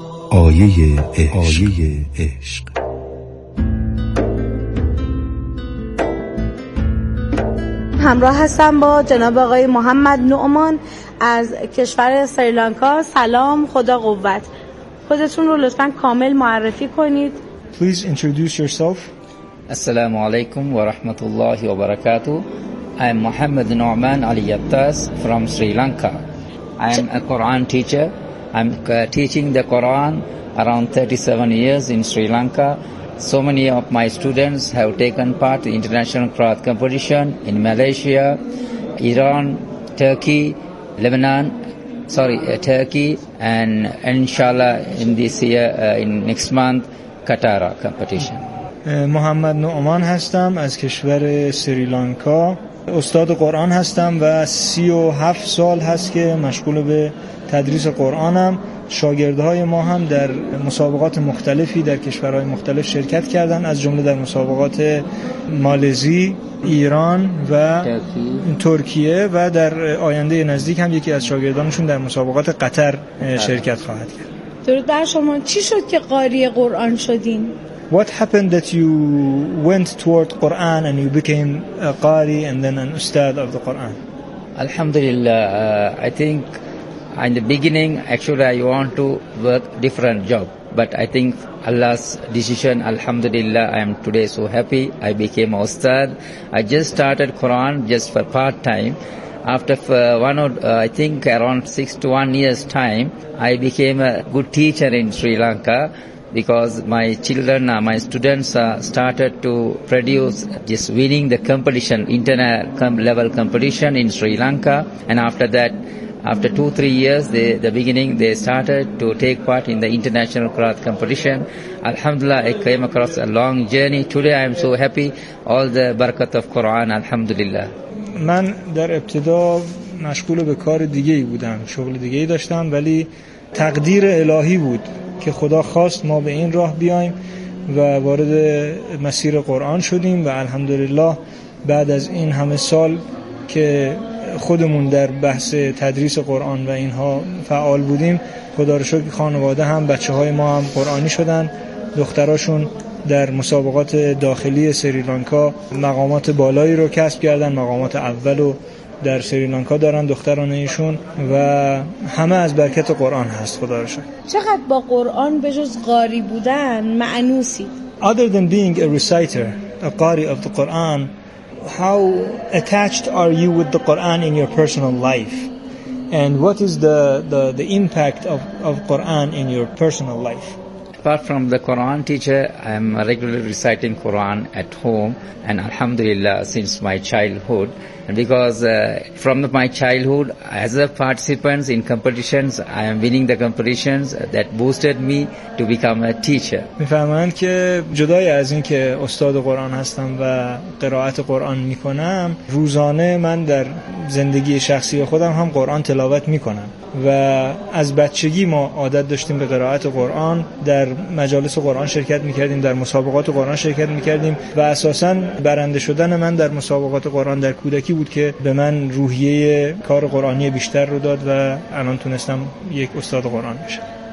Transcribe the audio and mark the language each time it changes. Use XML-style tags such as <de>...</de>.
<fa>آیه عشق. آیه عشق. همراه هستم با جناب آقای محمد نعمان از کشور سریلانکا. سلام، خدا قوت. خودتون رو لطفا کامل معرفی کنید.</fa> <en>Please introduce yourself.</en> <ar>السلام علیکم و رحمت الله و برکاته.</ar> <en>I am Muhammad Nu'man Ali Yabtas from Sri Lanka. I am a Quran teacher. I'm teaching the Quran around 37 years in Sri Lanka. So many of my students have taken part in international Quran competition in Malaysia, Iran, Turkey, Lebanon. Turkey, and inshallah in this year, in next month, Qatar competition.</en> <fa>Muhammad Nu'man hastam az kishvar Sri Lanka. استاد قرآن هستم و 37 سال هست که مشغول به تدریس قرآنم. شاگردهای ما هم در مسابقات مختلفی در کشورهای مختلف شرکت کردن، از جمله در مسابقات مالزی، ایران و ترکیه، و در آینده نزدیک هم یکی از شاگردانشون در مسابقات قطر شرکت خواهد کرد. درود بر شما. چی شد که قاری قرآن شدین؟</fa> <en>What happened that you went toward Quran and you became a qari and then an ustad of the Quran? Alhamdulillah, I think in the beginning actually I want to work different job, but I think Allah's decision, alhamdulillah, I am today so happy I became a ustad. I just started Quran just for part time. After around 6 to 1 year's time, I became a good teacher in Sri Lanka. Because my students started to produce, just winning the competition, international level competition in Sri Lanka. And after that, after 2-3 years, they started to take part in the international Qur'an competition. Alhamdulillah, I came across a long journey. Today I am so happy. All the barakat of Qur'an, alhamdulillah.</en> <fa>من در ابتدا مشغول به کار دیگه ای بودم، شغل دیگه ای داشتم، ولی تقدیر الهی بود که خدا خواست ما به این راه بیایم و وارد مسیر قرآن شدیم. و الحمدلله بعد از این همه سال که خودمون در بحث تدریس قرآن و اینها فعال بودیم، خدا رو شکر خانواده هم، بچه های ما هم قرآنی شدن، دختراشون در مسابقات داخلی سریلانکا مقامات بالایی رو کسب کردن، مقامات اول رو در سریلانکا دارن دختران ایشون، و همه از برکت قرآن هست خدا رو شکر. چقدر با قرآن به جز قاری بودن معنوسی؟</fa> <en>Other than being a reciter, a qari of the Quran, how attached are you with the Quran in your personal life? And what is the impact of Quran in your personal life? Apart from the Quran teacher, I am regularly reciting Quran at home, and alhamdulillah since my childhood. And because from my childhood, as a participant in competitions, I am winning the competitions that boosted me to become a teacher.</en> <fa>می‌فهمند که جدای از این که استاد قرآن هستم و قرائت قرآن می‌کنم، روزانه من در زندگی شخصی خودم هم قرآن تلاوت می‌کنم. و از بچگی ما عادت داشتیم به قرائت قرآن، در مجالس قرآن شرکت می‌کردیم، در مسابقات قرآن شرکت می‌کردیم، و اساساً برنده شدن من در مسابقات قرآن در کودکی بود که به من روحیه کار قرآنی بیشتر رو داد و الان تونستم یک استاد قرآن بشم.</fa>